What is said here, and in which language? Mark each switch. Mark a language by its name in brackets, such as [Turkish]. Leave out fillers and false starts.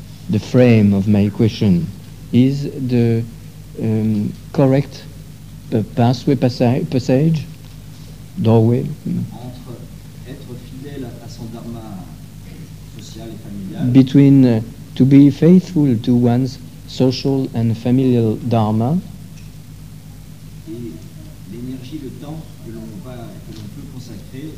[English] The frame of my question is the correct pathway, passage, doorway. [French] Entre être fidèle à son dharma social et familial. [English] Between to be faithful to one's social and familial dharma. [French] Et l'énergie, le temps que l'on va, que l'on peut consacrer.